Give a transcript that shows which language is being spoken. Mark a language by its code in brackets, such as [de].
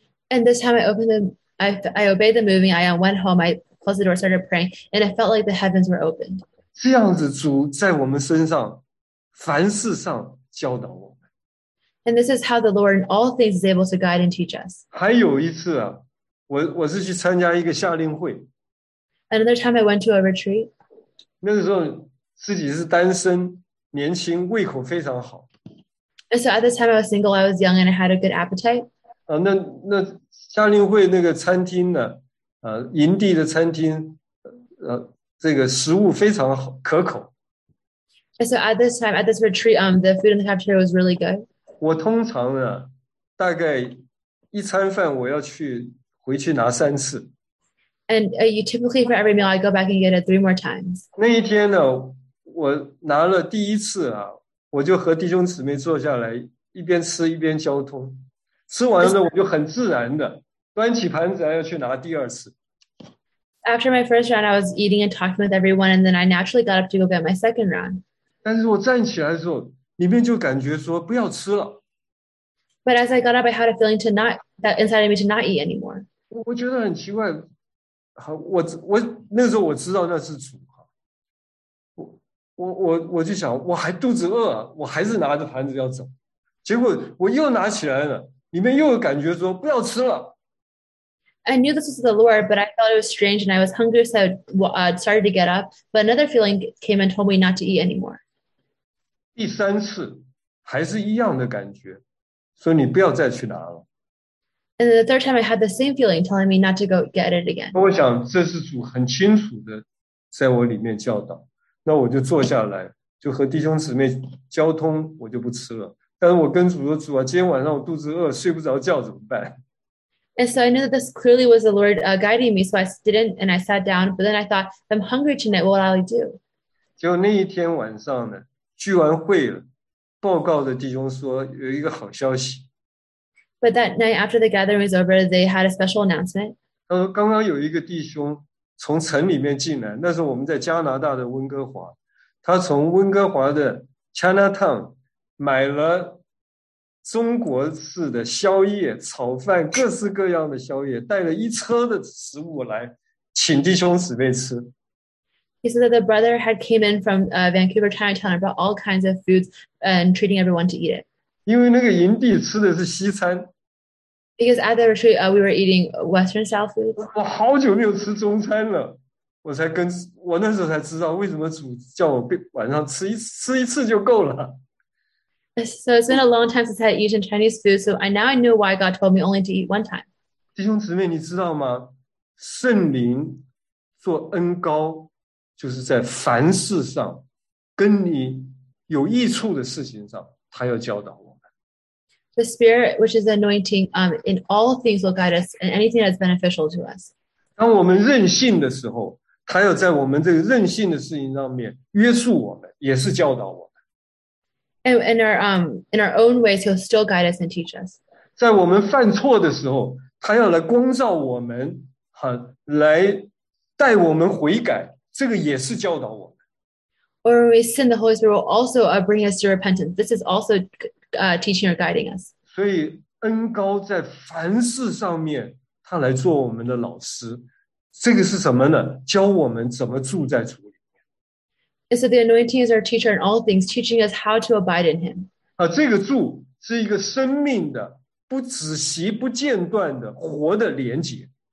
[en] And this time I opened them, I obeyed the moving, I went home, I closed the door, started praying, and it felt like the heavens were opened. [zh] 这样子主在我们身上, 凡事上教导我们。 [en] And this is how the Lord in all things is able to guide and teach us. [zh] 还有一次啊, 我是去参加一个夏令会。 [en] Another time I went to a retreat. [zh] 那个时候自己是单身, 年轻, 胃口非常好。 [en] And so at this time, I was single, I was young, and I had a good appetite. [zh] 那夏令会那个餐厅呢, 营地的餐厅, 这个食物非常好可口。 [en] And so at this time, at this retreat, the food in the cafeteria was really good. [zh] 我通常呢, 大概一餐饭我要去回去拿三次。 [en] And you typically, for every meal, I go back and get it three more times. [zh] 那一天呢, 我拿了第一次啊, 我就和弟兄姊妹坐下来, 一边吃一边交通, 吃完了我就很自然的, 端起盘子要去拿第二次。 [en] After my first round, I was eating and talking with everyone, and then I naturally got up to go get my second round. [zh] 但是我站起来的时候, 里面就感觉说, 不要吃了。 [en] But as I got up, I had a feeling to not, that inside of me to not eat anymore. [zh] 我觉得很奇怪, 我那时候我知道那是主哈，我就想我还肚子饿，我还是拿着盘子要走，结果我又拿起来了，里面又有感觉说不要吃了。 [en] I knew this was the Lord, but I thought it was strange, and I was hungry, so started to get up. But another feeling came and told me not to eat anymore. [zh] 第三次还是一样的感觉，说你不要再去拿了。 [en] And the third time, I had the same feeling telling me not to go get it again. [zh] 我想这是主很清楚的在我里面教导，那我就坐下来，就和弟兄姊妹交通，我就不吃了。但是我跟主说，主啊，今天晚上我肚子饿，睡不着觉，怎么办？ [en] And so I knew that this clearly was the Lord guiding me, so I didn't, and I sat down. But then I thought, if I'm hungry tonight, what will I do? [zh] 就那一天晚上呢，聚完会了，报告的弟兄说有一个好消息。 [en] But that night after the gathering was over, they had a special announcement. [zh] 他说刚刚有一个弟兄从城里面进来，那是我们在加拿大的温哥华，他从温哥华的 Chinatown 买了中国式的宵夜、炒饭、各式各样的宵夜，带了一车的食物来，请弟兄姊妹吃。 [en] He said that the brother had came in from Vancouver, Chinatown, and brought all kinds of foods and treating everyone to eat it. [zh] 因为那个营地吃的是西餐。 [en] Because at the retreat, we were eating Western style food. [zh] 我好久没有吃中餐了，我那时候才知道为什么主叫我晚上吃一次就够了。 [en] So it's been a long time since I eat in Chinese food, so now I know why God told me only to eat one time. [zh] 弟兄姊妹，你知道吗？圣灵做恩膏，就是在凡事上跟你有益处的事情上，他要教导我们。 [en] The Spirit, which is anointing, in all things will guide us in anything that's beneficial to us. [zh] 当我们任性的时候，他要在我们这个任性的事情上面约束我们，也是教导我们。 [en] And in our own ways, he'll still guide us and teach us. [zh] 在我们犯错的时候，他要来光照我们，来带我们悔改，这个也是教导我们。 [en] Or when we sin, the Holy Spirit will also bring us to repentance. This is also teaching or guiding us. [zh] 所以恩膏在凡事上面，他来做我们的老师，这个是什么呢？教我们怎么住在主里。 [en] And so the anointing is our teacher in all things, teaching us how to abide in him. [zh] 这个住是一个生命的，不止息不间断的活的连结。